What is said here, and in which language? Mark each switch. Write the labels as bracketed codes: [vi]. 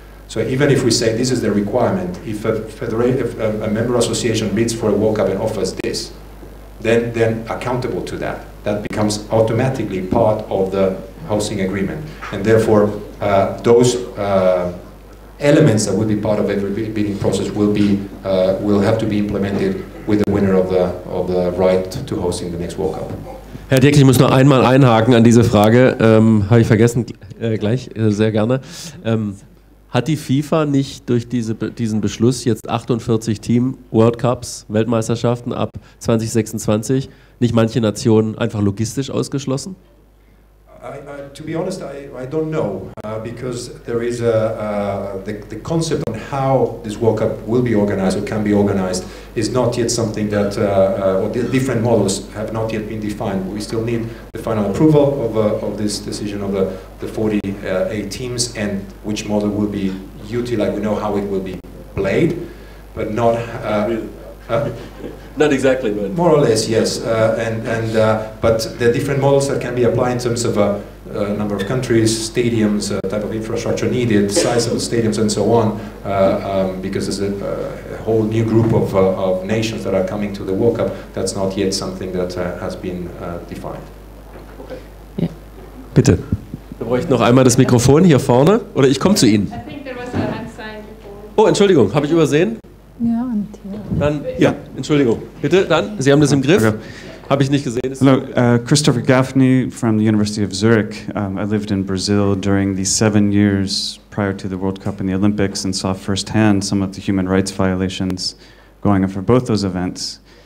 [en] So even if we say this is the requirement, if a federated, if a member association bids for a World Cup and offers this, then they're accountable to that. That becomes automatically part of the hosting agreement. And therefore, those elements that would be part of every bidding process will be will have to be implemented with the winner of the right to hosting the next World Cup. [de] Herr Dirk, ich muss noch einmal einhaken an diese Frage. Habe ich vergessen, gleich, sehr gerne. Hat die FIFA nicht durch diesen Beschluss jetzt 48 Team World Cups, Weltmeisterschaften ab 2026, nicht manche Nationen einfach logistisch ausgeschlossen? [en] To be honest, I don't know, because there is a the concept on how this World Cup will be organized or can be organized is not yet something that or the different models have not yet been defined. We still need the final approval of this decision of the 48 teams and which model will be utilized. Like we know how it will be played, but not. Not exactly, but more or less, yes. But the different models that can be applied in terms of a number of countries, stadiums, type of infrastructure needed, size of the stadiums, and so on, because there's a whole new group of nations that are coming to the World Cup. That's not yet something that has been defined. [de] Okay. Yeah. Bitte. Da bräuchte noch einmal das Mikrofon hier vorne, oder ich komme zu Ihnen. [en] I think there was a hand sign before. [de] Oh, Entschuldigung, habe ich übersehen? Ja, und ja. Dann, ja, Entschuldigung. Bitte, dann, Sie haben das im Griff. Habe ich nicht gesehen. [en] Hello, Christopher Gaffney from the University of Zurich. I lived in Brazil during the 7 years prior to the World Cup and the Olympics and saw firsthand some of the human rights violations going on for both those events.